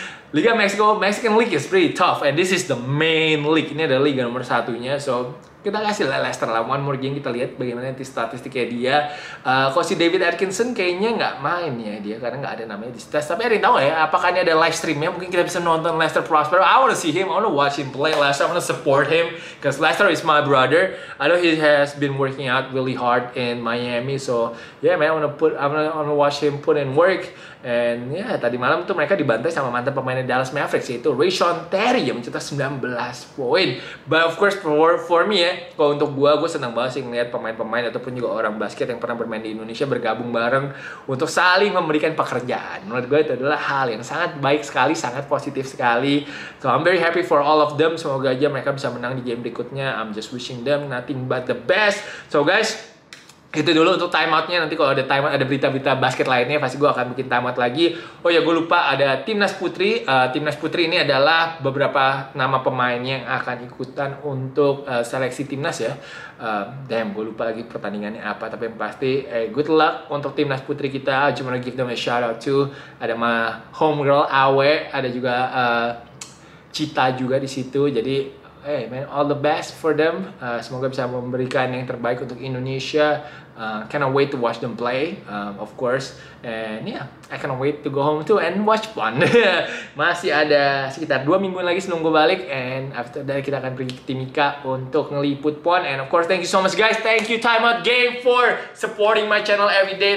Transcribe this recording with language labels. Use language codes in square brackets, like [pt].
[en] Liga Meksiko, Mexican League is pretty tough. And this is the main league. [id] Ini adalah liga nomor satunya. So, kita kasih lah Lester lah. [en] One more game, [id] kita lihat bagaimana statistiknya dia. Kalau si David Atkinson kayaknya nggak main ya dia. Karena nggak ada namanya di stats. Tapi ada yang tahu ya, apakah ini ada live stream-nya? Mungkin kita bisa nonton [en] Lester Prosper. I want to see him. I want to watch him play Lester. I want to support him. Because Lester is my brother. I know he has been working out really hard in Miami. So, yeah man, I want to watch him put in work. And yeah, [id] tadi malam tuh mereka dibantai sama mantan pemainnya Dallas Mavericks, yaitu Rayshon Terry yang mencetak 19 poin. [en] But of course for me [id] ya, kalau untuk gue senang banget sih ngeliat pemain-pemain ataupun juga orang basket yang pernah bermain di Indonesia bergabung bareng untuk saling memberikan pekerjaan. Menurut gue itu adalah hal yang sangat baik sekali, sangat positif sekali. [en] So I'm very happy for all of them. [id] Semoga aja mereka bisa menang di game berikutnya. [en] I'm just wishing them nothing but the best. So guys, [id] itu dulu untuk timeout-nya. Nanti kalau ada timeout, ada berita-berita basket lainnya, pasti gue akan bikin timeout lagi. Oh ya, gue lupa ada Timnas Putri. Timnas Putri ini adalah beberapa nama pemain yang akan ikutan untuk seleksi Timnas ya. Damn, gue lupa lagi pertandingannya apa. Tapi yang pasti, [en] good luck [id] untuk Timnas Putri kita. [en] I just want to give them a shout out to ada my homegirl Awe, [id] ada juga Cita juga di situ. [en] Jadi hey man, all the best for them. [id] Semoga bisa memberikan yang terbaik untuk Indonesia. [en] Cannot wait to watch them play, of course. And yeah, I cannot wait to go home too and watch fun. [id] Masih ada sekitar 2 minggu lagi sebelum gue balik. [en] And after that [id] kita akan pergi ke Timika untuk ngeliput pon. [en] And of course, thank you so much guys. Thank you Time Out Game for supporting my channel every day.